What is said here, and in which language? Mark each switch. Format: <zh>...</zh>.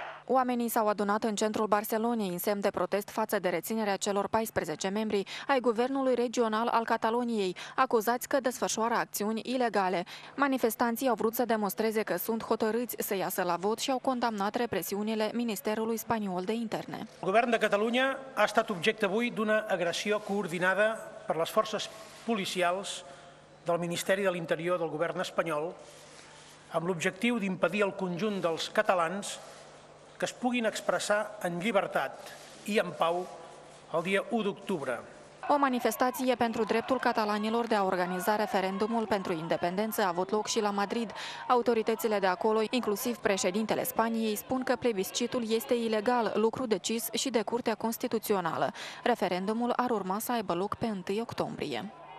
<ro>Oamenii s-au adunat în centrul Barcelonei în semn de protest față de reținerea celor 14 membri ai guvernului regional al Cataloniei, acuzați că desfășoară acțiuni ilegale. Manifestanții au vrut să demonstreze că sunt hotărâți să iasă la vot și au condamnat represiunile Ministerului Spaniol de Interne.</ro> <ca>Guvernul de Catalunya a estat objecte avui d'una agressió coordinada per les forces policials del Ministeri de l'Interior del Govern Espanyol amb l'objectiu d'impedir el conjunt dels catalans que es puguin expressar en llibertat i en pau el dia 1 d'octubre.</ca> <ro>O manifestație pentru dreptul catalanilor de a organiza referendumul pentru independență a avut loc și la Madrid. Autoritățile de acolo, inclusiv președintele Spaniei, spun că plebiscitul este ilegal, lucru decis și de Curtea Constituțională. Referendumul ar urma să aibă loc pe 1 octombrie.</ro>